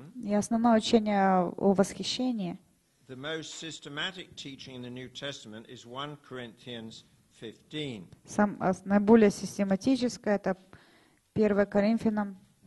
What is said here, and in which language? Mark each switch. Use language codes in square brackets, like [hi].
[ru] И основное учение о восхищении. [en] The most systematic teaching in the New Testament is 1 Corinthians 15. [ru] Наиболее систематическое это 1 Коринфянам.